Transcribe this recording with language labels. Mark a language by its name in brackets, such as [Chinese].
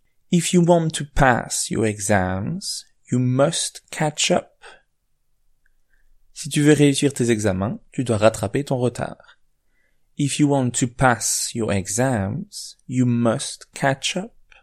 [English] If you want to pass your exams, you must catch up. [French] Si tu veux réussir tes examens, tu dois rattraper ton retard. [English] If you want to pass your exams, you must catch up.